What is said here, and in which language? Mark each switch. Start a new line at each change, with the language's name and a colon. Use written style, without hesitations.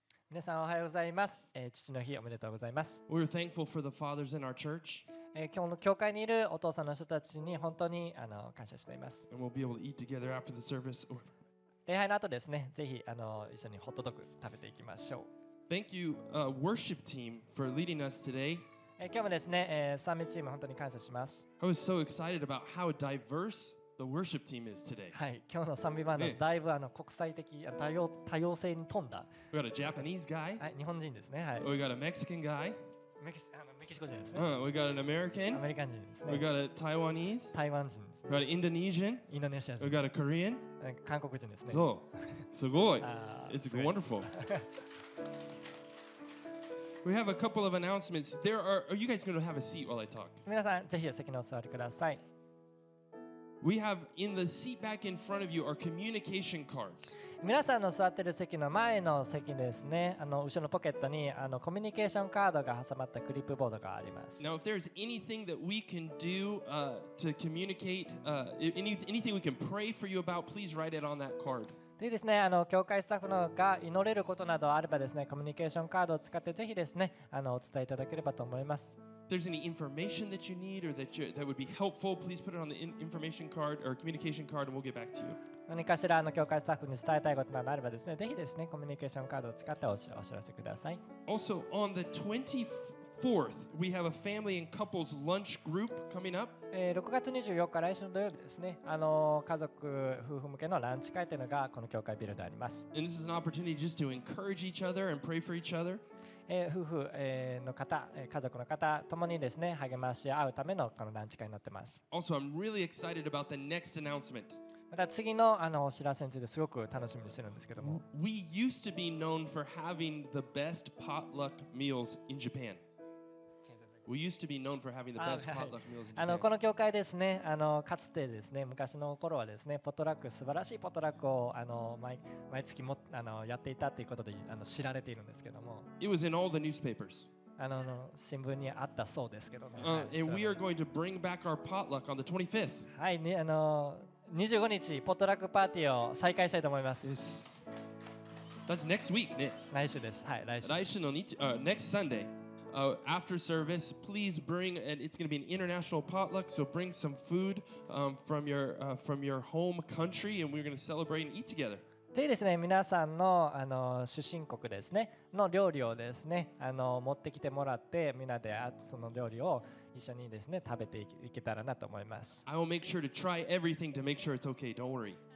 Japanese: 皆さんおはようございます。父の日おめでとうございます。
English: We're thankful for the fathers in our church.
Japanese: 今日の教会にいるお父さんの人たちに本当に感謝しています。
English: And we'll be able to eat together after the service.
Japanese: 礼拝の後ですね、ぜひ一緒にホットドッグ食べていきましょう。
English: Thank you, worship team, for leading us today.
Japanese: 今日もですね、賛美チーム本当に感謝します。
English: I was so excited about how diverse. The worship team is today.
Japanese: はい、今日の賛美バンドだいぶ国際的多様性に富んだ。
English: We got a Japanese guy.
Japanese: はい、日本人ですね。はい。
English: We got a Mexican guy.
Japanese: メキシコ人ですね。
English: We got an American.
Japanese: アメリカ人ですね。
English: We got a Taiwanese.
Japanese: 台湾人ですね。
English: We got an Indonesian.
Japanese: インドネシア人。
English: We got a Korean.
Japanese: 韓国人ですね。そう、すごい。
English: It's wonderful. We have a couple of announcements. Are you guys going to have a seat while I talk?
Japanese: 皆さん、ぜひ席にお座りください。
English: We have in the seat back in front of you our communication cards.
Japanese: 皆さんの座ってる席の前の席ですね。後ろのポケットにコミュニケーションカードが挟まったクリップボードがあります。
English: Now, if there's anything that we can do to communicate, anything we can pray for you about, please write it on that card.
Japanese: でですね、教会スタッフのが祈れることなどあればですね、コミュニケーションカードを使ってぜひですね、お伝えいただければと思います。
English: If there's any information that you need or that would be helpful, please put it on the information card or communication card and we'll get back to you.
Japanese: 何かしら教会スタッフに伝えたいことなどあればですね、ぜひですね、コミュニケーションカードを使ってお知らせください。
English: Also, on the 24th, we have a family and couples lunch group coming up.
Japanese: 6月24日、来週の土曜日ですね、家族、夫婦向けのランチ会というのがこの教会ビルであります。
English: And this is an opportunity just to encourage each other and pray for each other.
Japanese: 夫婦の方、家族の方ともにですね、励まし合うためのこのランチ会になってます。
English: Also, I'm really excited about the next announcement.
Japanese: また次のお知らせについてすごく楽しみにしてるんですけども。
English: We used to be known for having the best potluck meals in Japan. We used to be known for having the best potluck meals in Japan.
Japanese: この教会ですね、かつてですね、昔の頃はですね、ポトラック、素晴らしいポトラックを毎月もやっていたということで知られているんですけども。
English: It was in all the newspapers.
Japanese: 新聞にあったそうですけども。
English: And we are going to bring back our potluck on the 25th.
Japanese: はい、25日、ポトラックパーティーを再開したいと思います。
English: Yes. That's next week,
Japanese: ね。来週です。はい、来週。来週の日、
English: next Sunday. After service, please bring, and it's going to be an international potluck, so bring some food from your home country, and we're going to celebrate and eat together.
Japanese: でですね、皆さんの出身国ですね、の料理をですね、持ってきてもらって、みんなでその料理を一緒にですね、食べていけたらなと思います。
English: I will make sure to try everything to make sure it's okay, don't worry.